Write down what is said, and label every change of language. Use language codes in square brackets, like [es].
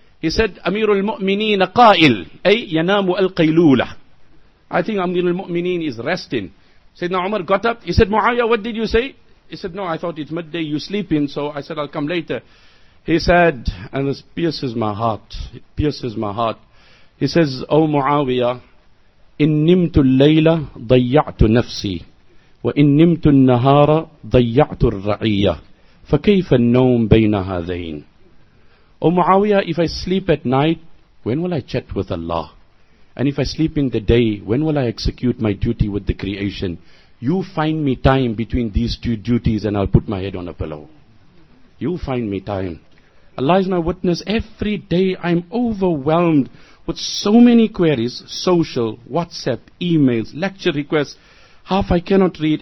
[en] He said, [ar] Amirul Mu'mineen qail, ay yanamu al-qailula. [en] I think Amirul Mu'mineen is resting. Sayyidina Umar got up. He said, Muawiyah, what did you say? He said, no, I thought it's midday, you sleeping. So I said, I'll come later. He said, and this pierces my heart. It pierces my heart. He says, oh Muawiyah, [ar] إن نمت الليلة ضيعت نفسي وإن نمت النهار ضيعت الرعية فكيف النوم بين هذين. [en] O Muawiyah, if I sleep at night, when will I chat with Allah? And if I sleep in the day, when will I execute my duty with the creation? You find me time between these two duties and I'll put my head on a pillow. You find me time. Allah is my witness. Every day I'm overwhelmed with so many queries, social, WhatsApp, emails, lecture requests, half I cannot read.